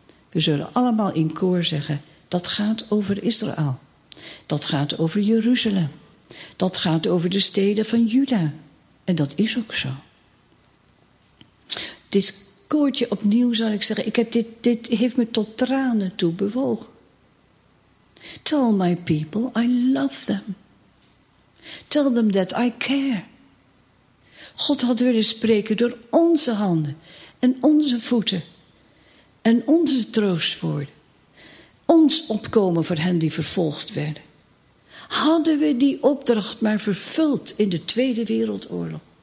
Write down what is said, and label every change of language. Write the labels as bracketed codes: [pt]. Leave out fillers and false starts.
[nl] We zullen allemaal in koor zeggen, dat gaat over Israël. Dat gaat over Jeruzalem. Dat gaat over de steden van Juda. En dat is ook zo. Dit koortje opnieuw, zal ik zeggen, dit heeft me tot tranen toe bewogen. [en] Tell my people I love them. Tell them that I care. [nl] God had willen spreken door onze handen en onze voeten en onze troostwoorden. Ons opkomen voor hen die vervolgd werden. Hadden we die opdracht maar vervuld in de Tweede Wereldoorlog?